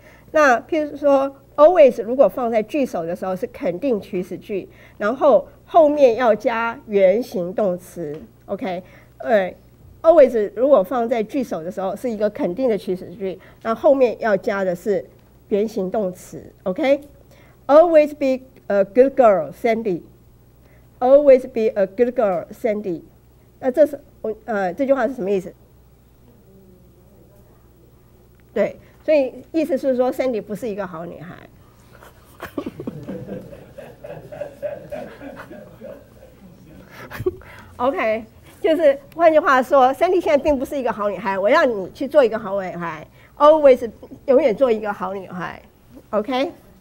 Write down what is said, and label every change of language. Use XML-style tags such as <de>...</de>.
<zh>那譬如说。Always 如果放在句首的时候是肯定祈使句，然后后面要加原形动词 OK， Always 如果放在句首的时候是一个肯定的祈使句，那 后面要加的是原形动词 OK。</zh> <en>Always be a good girl Sandy， Always be a good girl Sandy，</en> <zh>那 这句话是什么意思？对，所以意思是说 Sandy 不是一个好女孩OK， 就是换句话说 Sandy 现在并不是一个好女孩，我要你去做一个好女孩， Always 永远做一个好女孩 OK。</zh>